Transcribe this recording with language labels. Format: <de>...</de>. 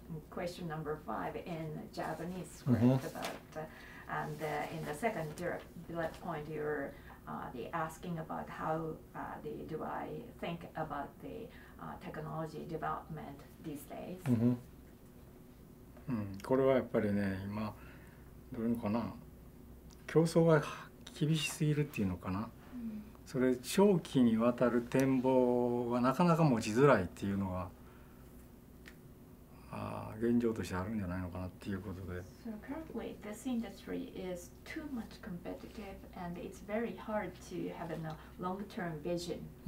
<en>Question number five in Japanese script about, and in the second bullet point, you're asking about how do I think about the technology development these days.</en> <ja>これはやっぱりね、今どういうのかな。競争が厳しすぎるっていうのかな、それ長期にわたる展望がなかなか持ちづらいっていうのが現状としてあるんじゃないのかなっていうことで。</ja> <en>So currently this industry is too much competitive and it's very hard to have a long-term vision.</en>